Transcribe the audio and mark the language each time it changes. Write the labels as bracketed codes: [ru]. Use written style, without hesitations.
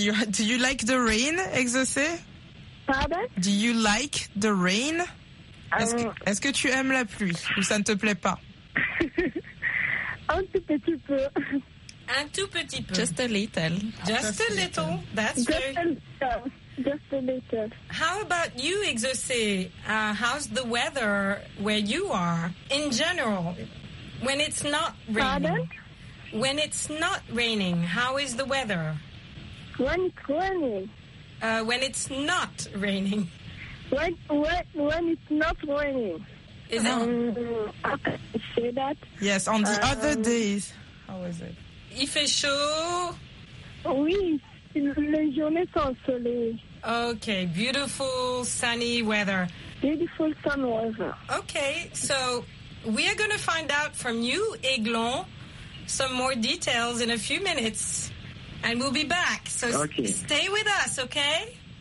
[en] Do you like the rain, exaucé? [fr] Pardon? [en] Do you like the rain? [fr] Est-ce que tu aimes la pluie ou ça ne te plaît pas? Un tout petit peu. Un tout petit peu. [en] Just a little. Just a little. That's just very... a little. Just a little. How about you, exaucé? How's the weather where you are in general? When it's not raining? [fr] Pardon? [en] When it's not raining, how is the weather? When it's raining. When it's not raining. When it's not raining. Is it? How can I say that? Yes, on the other days. How is it? [fr] Il fait chaud. Oui. Les journées sont soleil. [en] Okay, beautiful sunny weather. Beautiful sun weather. Okay, so we are going to find out from you, Eglon, some more details in a few minutes, and we'll be back. So okay. Stay with us, okay?